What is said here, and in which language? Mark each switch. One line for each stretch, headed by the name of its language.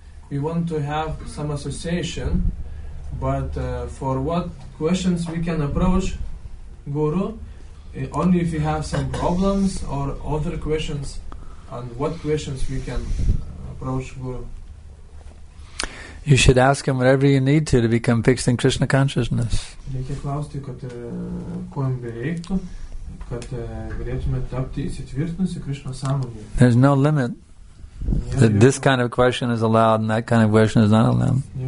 English: We want to have some association, but for what questions we can approach guru? Only if you have some problems or other questions, and what questions we can approach guru? You should ask him whatever you need to become fixed in Krishna consciousness.
Lithuanian: Reikia klausti, kad ko jam bereiktų, kad galėtume tapti įsitvirtinusi Krishna sąmonėje.
English: There's no limit. That this kind of question is allowed and that kind of question is not allowed.